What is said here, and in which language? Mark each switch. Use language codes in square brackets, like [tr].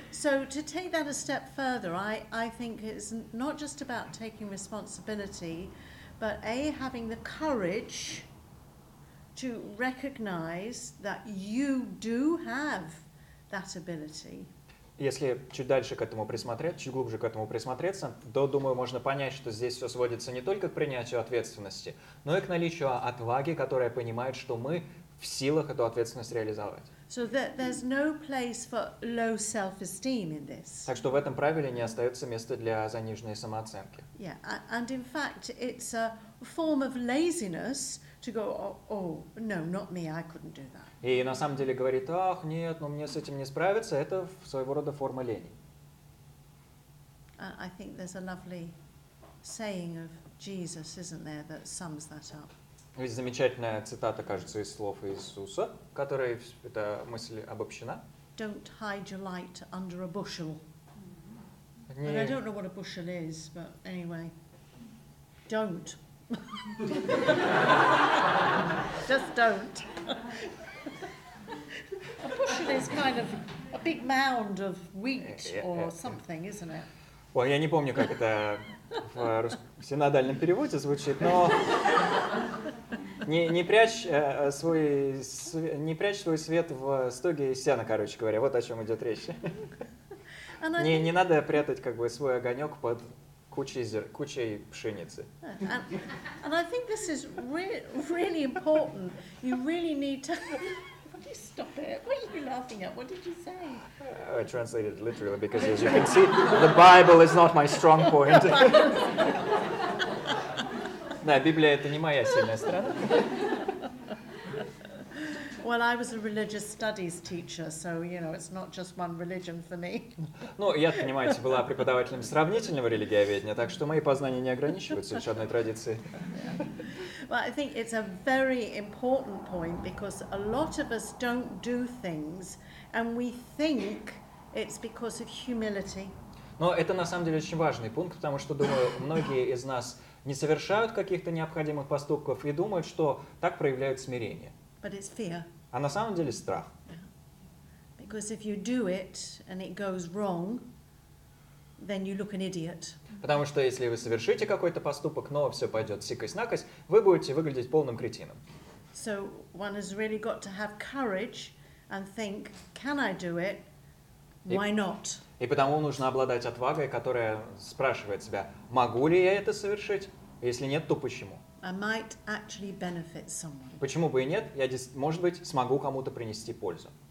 [en] So to take that a step further, I think it's not just about taking responsibility, but A, having the courage to recognize that you do have that ability. [ru] Если чуть дальше к этому присмотреться, чуть глубже к этому присмотреться, то, думаю, можно понять, что здесь все сводится не только к принятию ответственности, но и к наличию отваги, которая понимает, что мы в силах эту ответственность реализовать. [en] So there's no place for low self-esteem in this. [ru] Так что в этом правиле не остается места для заниженной самооценки. [en] Yeah, and in fact, it's a form of laziness to go, oh, no, not me, I couldn't do that. [ru] И на самом деле говорит, ах, нет, но мне с этим не справиться, это своего рода форма лени. [en] I think there's a lovely saying of Jesus, isn't there, that sums that up. [ru] Есть замечательная цитата, кажется, из слов Иисуса, в которой эта мысль обобщена. [en] Don't hide your light under a bushel. Не... And I don't know what a bushel is, but anyway, don't. Just don't. A bushel is kind of a big mound of wheat or something, isn't it? [ru] Ой, я не помню, как это в синодальном переводе звучит, но не прячь свой свет в стоге сена, короче говоря. Вот о чем идет речь. Не надо прятать как бы свой огонек под кучей пшеницы. [en] And I think this is really important. You really need to. Would you stop it? What are you laughing at? What did you say? I translated literally because, as you can see, the Bible is not my strong point. [ru] Да, Библия это не моя сильная сторона. [en] Well, I was a religious studies teacher, so, you know, it's not just one religion for me. [ru] Ну, я, понимаете, была преподавателем сравнительного религиоведения, так что мои познания не ограничиваются лишь одной традицией. [en] Yeah. Well, I think it's a very important point, because a lot of us don't do things, and we think it's because of humility. [ru] Но это, на самом деле, очень важный пункт, потому что, думаю, многие из нас не совершают каких-то необходимых поступков и думают, что так проявляют смирение. [en] But it's fear. [ru] А на самом деле страх. [en] Because if you do it and it goes wrong, then you look an idiot. [ru] Потому что если вы совершите какой-то поступок, но все пойдет сикось-накось, вы будете выглядеть полным кретином. [en] So one has really got to have courage and think, can I do it? Why not? [ru] И потому нужно обладать отвагой, которая спрашивает себя, могу ли я это совершить? Если нет, то почему? [en] I might actually benefit someone. [ru] Почему бы и нет? Я, может быть, смогу кому-то принести пользу.